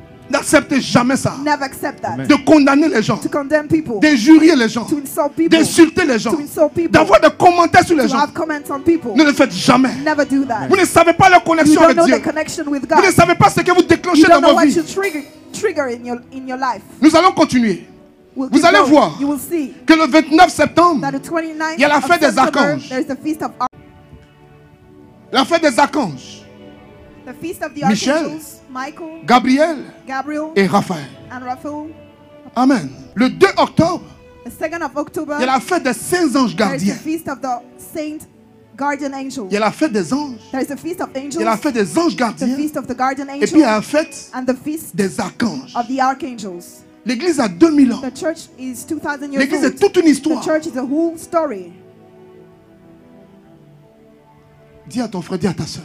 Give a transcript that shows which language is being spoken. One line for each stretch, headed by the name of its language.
French: N'acceptez jamais ça.
English: Never accept that.
French: De condamner les gens.
English: To condemn people.
French: D'injurier les gens.
English: To insult people.
French: D'insulter les gens.
English: To insult people.
French: D'avoir des commentaires sur les
English: to
French: gens.
English: Have comments on people.
French: Ne le faites jamais.
English: Never do that.
French: Vous ne savez pas la connexion avec Dieu.
English: The connection with God.
French: Vous ne savez pas ce que vous déclenchez dans vos vies.
English: You don't know what you trigger in your life.
French: Nous allons continuer.
English: We'll
French: vous allez
English: going.
French: Voir
English: you will see
French: que le 29 septembre,
English: that the 29th
French: il y a la fête des archanges.
English: There is the feast of
French: la fête des archanges.
English: The feast of the archangels.
French: Michel.
English: Michael,
French: Gabriel et Raphaël.
English: And Raphael.
French: Amen. Le 2 octobre,
English: the 2nd of October,
French: il y a la fête des saints anges gardiens.
English: There is the feast of the saint guardian angels.
French: Il y a la fête des anges.
English: There is the feast of angels.
French: Il y a la fête des anges gardiens.
English: The feast of the guardian angels.
French: Et puis il y a la fête
English: and the feast
French: des archanges.
English: Of the archangels.
French: L'église a 2000 ans.
English: The church is 2000 years
French: L'église
English: old.
French: Est toute une histoire.
English: The church is a whole story.
French: Dis à ton frère, dis à ta sœur.